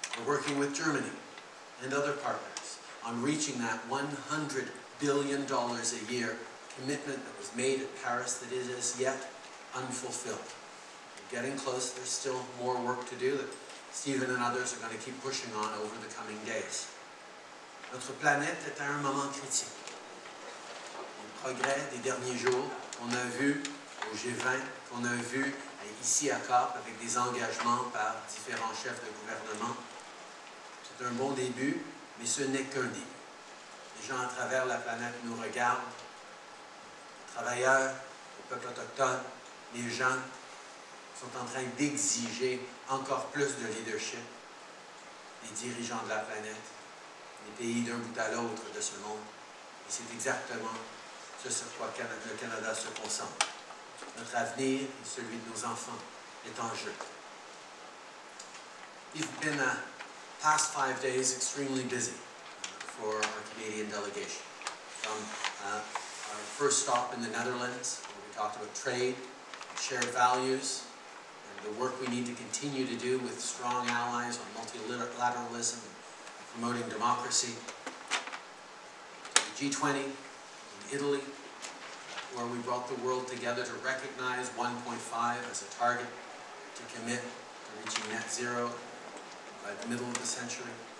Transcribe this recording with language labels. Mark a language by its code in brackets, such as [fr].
[en] We're working with Germany and other partners on reaching that $100 billion a year commitment that was made at Paris that is as yet unfulfilled. We're getting close. There's still more work to do that Stephen and others are going to keep pushing on over the coming days. [fr] Notre planète est à un moment critique. Les progrès des derniers jours qu'on a vus au G20, qu'on a vus ici à COP avec des engagements par différents chefs de gouvernement, c'est un bon début, mais ce n'est qu'un début. Les gens à travers la planète nous regardent, les travailleurs, les peuples autochtones, les gens sont en train d'exiger encore plus de leadership des dirigeants de la planète, des pays d'un bout à l'autre de ce monde. Et c'est exactement ce sur quoi le Canada se concentre. Notre avenir et celui de nos enfants est en jeu. [en] We've been the past 5 days extremely busy for our Canadian delegation. From our first stop in the Netherlands, where we talked about trade, shared values, and the work we need to continue to do with strong allies on multilateralism, promoting democracy, the G20 in Italy, where we brought the world together to recognize 1.5 as a target to commit to reaching net zero by the middle of the century.